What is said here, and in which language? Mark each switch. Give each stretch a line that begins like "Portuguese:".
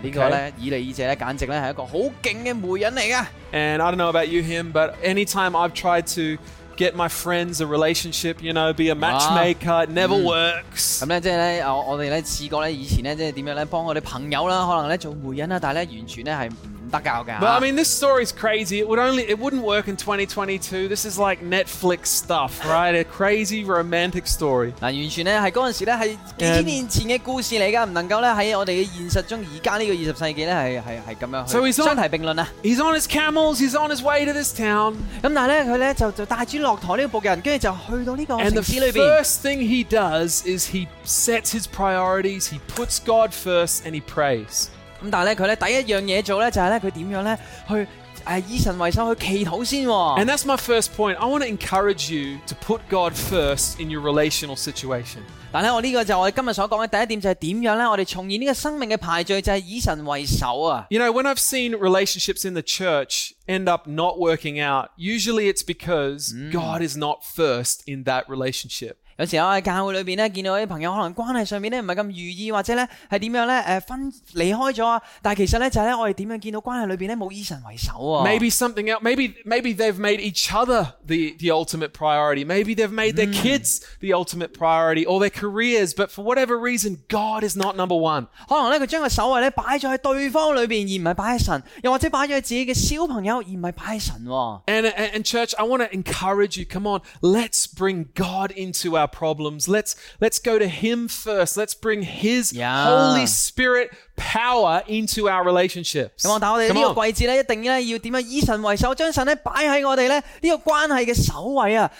Cantonese: 這個呢個以利以謝簡直是一個很勁的媒人嚟噶。
English: And I don't know about you, him, but anytime I've tried to get my friends a relationship, you know, be a matchmaker, it never works.
Cantonese: 咁咧，即系咧，我哋咧試過咧，以前咧，即系點樣咧，幫我哋朋友啦，可能咧做媒人啦，但系咧完全咧係。
English: But I mean, this story is crazy. It wouldn't work in 2022. This is like Netflix stuff, right? A crazy romantic story.
Cantonese: 嗱，完全咧系嗰阵时咧系几千年前嘅故事嚟噶，唔能够咧喺我哋嘅现实中，而家呢个二十世纪咧系咁样去相提并论啊。
English: He's on his camels. He's on his way to this town.
Cantonese: 咁但系咧，佢咧就带住骆驼呢个仆人，跟住就去到呢个城市里边。
English: And the first thing he does is he sets his priorities. He puts God first and he prays.
Cantonese: 咁但系咧，佢第一样嘢做咧，就系咧佢点样咧去以神为首去祈祷先。
English: And that's my first point. I want to encourage you to put God first in your relational situation.
Cantonese: 但系我呢个就我哋今日所讲嘅第一点就系点样咧？我哋重现呢个生命嘅排序就系以神为首啊。
English: You know, when I've seen relationships in the church end up not working out, usually it's because God is not first in that relationship.
Cantonese: 有时候喺教会里边咧，见到啲朋友可能关系上边咧唔系咁如意，或者咧系点样咧？分离开咗啊！但系其实咧就系咧，我哋点样见到关系里边咧冇以神为首啊
English: ？Maybe something else. Maybe they've made each other the ultimate priority. Maybe they've made their kids the ultimate priority, or their careers. But for whatever reason, God is not number one.
Cantonese: 可能咧佢将个首位咧摆咗喺对方里边，而唔系摆喺神；又或者摆咗喺自己嘅小朋友，而唔系摆喺神。
English: And church, I want to encourage you. Come on, let's bring God into our problems. Let's go to Him first. Let's bring His Holy Spirit power into our relationships.
Cantonese: 咁我但我哋呢个季节咧，一定咧要点样以神为首，将神咧摆喺我哋咧呢个关系嘅首位啊？